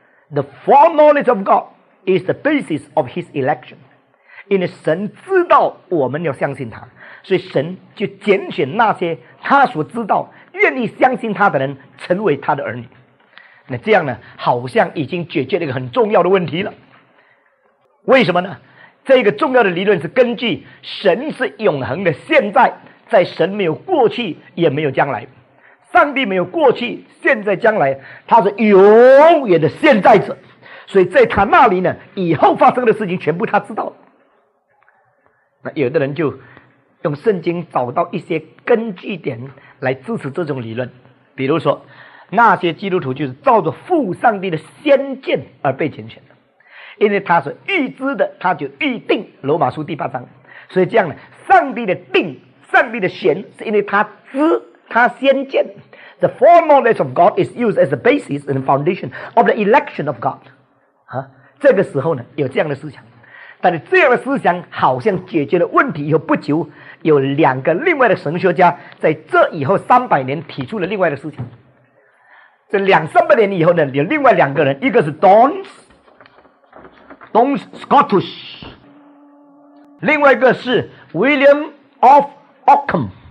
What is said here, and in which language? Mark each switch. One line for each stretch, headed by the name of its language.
English: The foreknowledge of God is the basis of his election.
Chinese: 因为神知道我们要相信他，所以神就拣选那些他所知道愿意相信他的人成为他的儿女。那这样呢好像已经解决了一个很重要的问题了。为什么呢？这个重要的理论是根据神是永恒的，现在在神没有过去也没有将来，上帝没有过去现在将来，他是永远的现在者，所以在他那里呢以后发生的事情全部他知道。那有的人就用圣经找到一些根据点来支持这种理论，比如说那些基督徒就是照着父上帝的先见而被拣选的，因为他是预知的，他就预定罗马书第八章，所以这样呢上帝的定，上帝的选，是因为他知他先见。
English: The foreknowledge of God is used as the basis and foundation of the election of God、
Chinese: 这个时候呢有这样的思想。但是这样的思想好像解决了问题以后，不久有两个另外的神学家在这以后300年提出了另外的思想。这两三百年以后呢，有另外两个人，一个是 Dons Scotus， 另外一个是 William of Ockham。